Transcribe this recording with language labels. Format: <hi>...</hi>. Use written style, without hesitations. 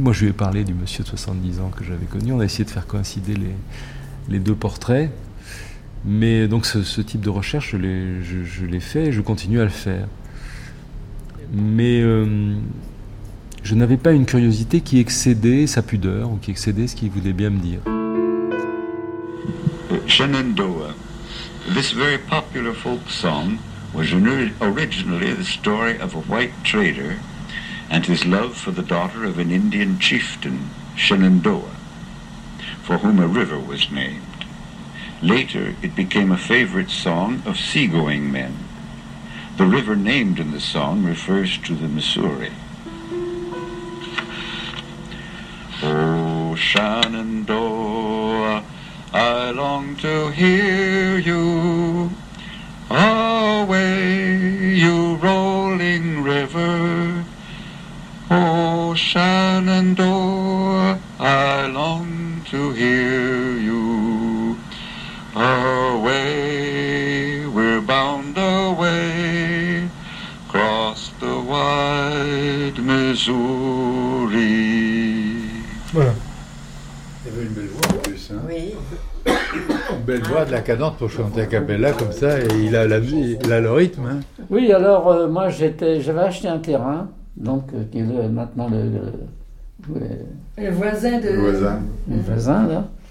<fr>Moi, je lui ai parlé du monsieur de 70 ans que j'avais connu. On a essayé de faire coïncider les deux portraits. Mais donc ce type de recherche, je l'ai fait et je continue à le faire. Mais je n'avais pas une curiosité qui excédait sa pudeur ou qui excédait ce qu'il voulait bien me dire.</fr> <en>Shenandoah, this very popular folk song was originally the story of a white trader and his love for the daughter of an Indian chieftain, Shenandoah, for whom a river was named. Later, it became a favorite song of seagoing men. The river named in the song refers to the Missouri. Oh, Shenandoah, I long to hear you. Away, you rolling river. Oh, Shenandoah, I long to hear you. Away, we're bound away, cross the wide Missouri.</en> <fr>Voilà. Il y avait une belle voix en plus, hein. Oui. Une belle voix, de la cadence pour chanter a cappella comme ça, et il a la vie, il a le rythme. Hein. Oui, alors moi j'avais acheté un terrain, donc qui est maintenant le voisin là.</fr>